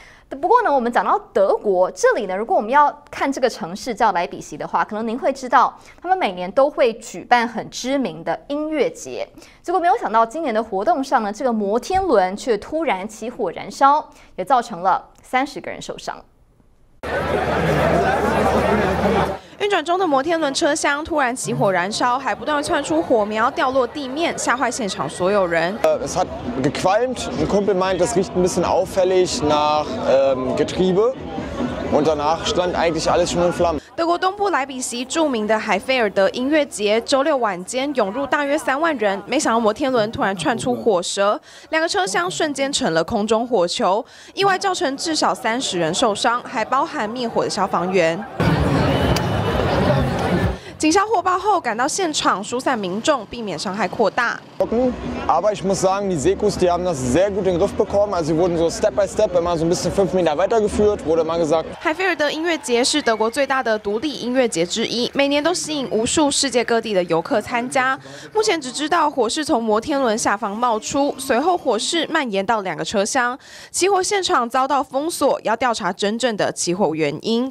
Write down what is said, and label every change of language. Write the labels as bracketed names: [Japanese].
[Chinese] 不过呢，我们讲到德国这里呢，如果我们要看这个城市叫莱比锡的话，可能您会知道他们每年都会举办很知名的音乐节，结果没有想到今年的活动上呢，这个摩天轮却突然起火燃烧，也造成了30个人受伤。运转中的摩天轮车厢突然起火燃烧，还不断窜出火苗掉落地面，吓坏现场所有人。 [German] Es hat gequalmt. Ein Kumpel meint, das riecht ein bisschen auffällig nach Getriebe. Und danach stand eigentlich alles schon in Flammen. [Chinese] 德国东部莱比锡著名的海菲尔德音乐节周六晚间涌入大约30,000人，没想到摩天轮突然窜出火舌，两个车厢瞬间成了空中火球，意外造成至少30人受伤，还包含灭火的消防员。警消获报后赶到现场疏散民众，避免伤害扩大。 [German] Aber ich muss sagen, die Sekus, die haben das sehr gut in den Griff bekommen. Also sie wurden so [English] step by step [German] immer so ein bisschen 5 Meter weitergeführt, wurde mal gesagt. [Chinese] 海菲尔德音乐节是德国最大的独立音乐节之一，每年都吸引无数世界各地的游客参加。目前只知道火势从摩天轮下方冒出，随后火势蔓延到两个车厢，起火现场遭到封锁，要调查真正的起火原因。